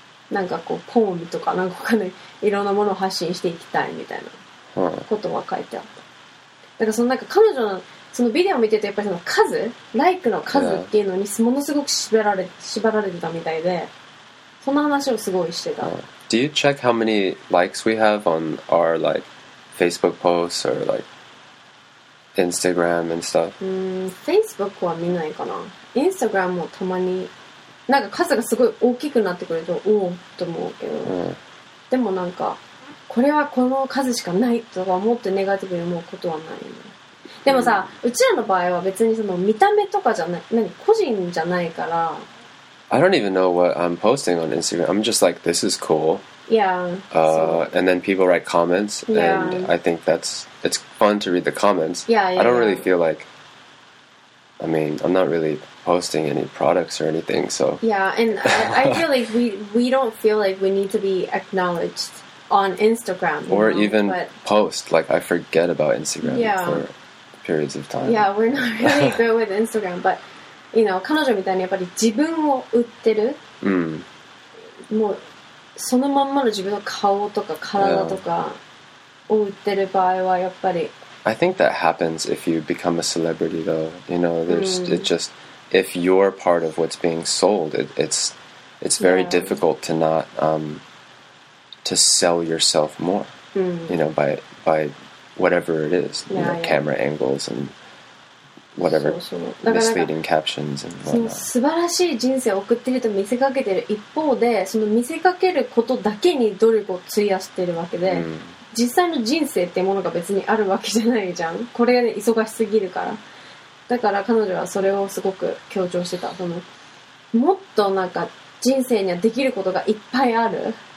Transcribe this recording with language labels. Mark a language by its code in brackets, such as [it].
[ja] なんかこうポーンとかなんかね、いろんなものを発信していきたいみたいなことは書いてあった。だからそのなんか彼女のそのビデオを見てて、やっぱりその数、ライクの数っていうのにものすごく縛られてたみたいで、そんな話をすごいしてた。 [en] Do you check how many likes we have on our like Facebook posts or like Instagram and stuff? [ja] Facebook は見ないかな。Instagram もたまに、なんか数がすごい大きくなってくると、おおと思うけど。でもなんか、これはこの数しかないとか思ってネガティブに思うことはない、ね。でもさ、うちらの場合は別にその見た目とかじゃない、何、個人じゃないから。 [en] I don't even know what I'm posting on Instagram. I'm just like, this is cool. Yeah. And then people write comments. Yeah. And I think it's fun to read the comments. Yeah. I don't really feel like, I mean, I'm not really posting any products or anything, so. Yeah, and I feel like we don't feel like we need to be acknowledged on Instagram. Or know? Even But, post. Like, I forget about Instagram for periods of time. Yeah, we're not really good with Instagram, but... You know, [ja] 彼女みたいにやっぱり自分を売ってる、もうそのまんまの自分の顔とか体とかを売ってる場合はやっぱり [en] I think that happens if you become a celebrity though. You know, there's、it just if you're part of what's being sold, it's very difficult to not to sell yourself more. You know, by whatever it is, you know, camera angles andWhatever, misleading captions and whatnot. [ja] その素晴らしい人生を送っていると見せかけている一方で、その見せかけることだけに努力を費やしているわけで、実際の人生ってものが別にあるわけじゃないじゃん。これが、ね、忙しすぎるから。だから彼女はそれをすごく強調してた。そのもっとなんか人生にはできることがいっぱいある。